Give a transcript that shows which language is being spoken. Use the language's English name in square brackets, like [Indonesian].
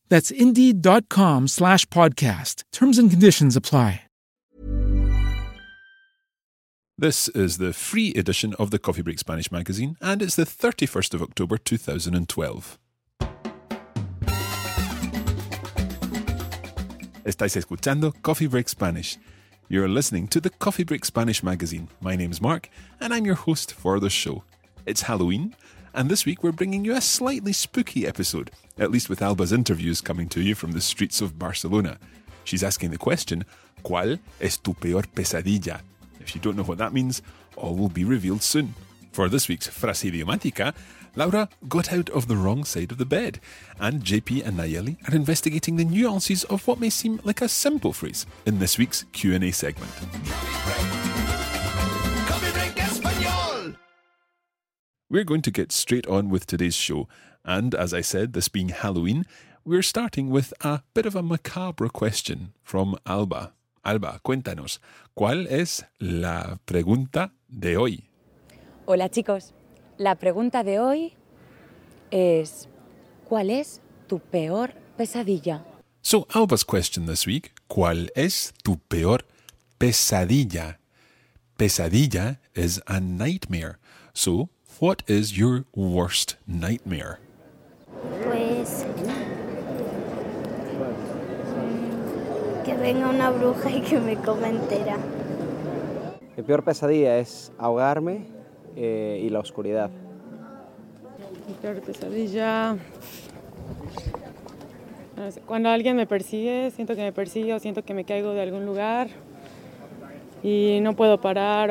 [English] That's Indeed.com/podcast. Terms and conditions apply. This is the free edition of the Coffee Break Spanish magazine, and it's the 31st of October 2012. [Spanish] Estáis escuchando Coffee Break Spanish. [English] You're listening to the Coffee Break Spanish magazine. My name's Mark, and I'm your host for the show. It's Halloween, and this week we're bringing you a slightly spooky episode, at least with Alba's interviews coming to you from the streets of Barcelona. She's asking the question, [Spanish] ¿Cuál es tu peor pesadilla? [English] If you don't know what that means, all will be revealed soon. For this week's Frase Idiomática, Laura got out of the wrong side of the bed, and JP and Nayeli are investigating the nuances of what may seem like a simple phrase in this week's Q&A segment. We're going to get straight on with today's show, and as I said, this being Halloween, we're starting with a bit of a macabre question from Alba. [Spanish] Alba, cuéntanos, ¿cuál es la pregunta de hoy? Hola chicos, la pregunta de hoy es, ¿cuál es tu peor pesadilla? [English] So Alba's question this week, [Spanish] ¿cuál es tu peor pesadilla? [English] Pesadilla is a nightmare. So, what is your worst nightmare? [Spanish] Pues... venga una bruja y que me coma entera. Mi peor pesadilla es ahogarme y la oscuridad. Mi peor pesadilla... no sé, cuando alguien me persigue, siento que me persigue o siento que me caigo de algún lugar y no puedo parar.